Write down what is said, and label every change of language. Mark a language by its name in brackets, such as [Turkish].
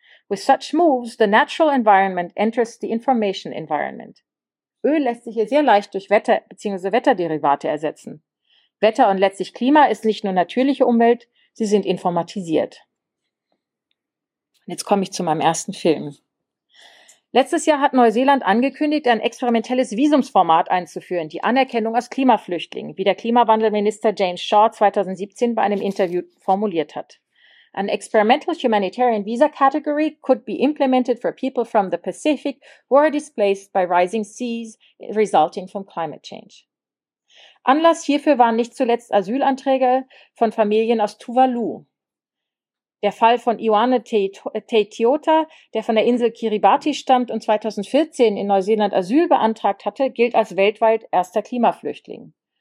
[English] With such moves, the natural environment enters the information environment. [German] Öl lässt sich hier sehr leicht durch Wetter- bzw. Wetterderivate ersetzen. Wetter und letztlich Klima ist nicht nur natürliche Umwelt, sie sind informatisiert. Und jetzt komme ich zu meinem ersten Film. Letztes Jahr hat Neuseeland angekündigt, ein experimentelles Visumsformat einzuführen, die Anerkennung als Klimaflüchtling, wie der Klimawandelminister James Shaw 2017 bei einem Interview formuliert hat. [English] An experimental humanitarian visa category could be implemented for people from the Pacific who are displaced by rising seas resulting from climate change. [German] Anlass hierfür waren nicht zuletzt Asylanträge von Familien aus Tuvalu. Der Fall von Ioane Teitiota, der von der Insel Kiribati stammt und 2014 in Neuseeland Asyl beantragt hatte, gilt als weltweit erster Klimaflüchtling.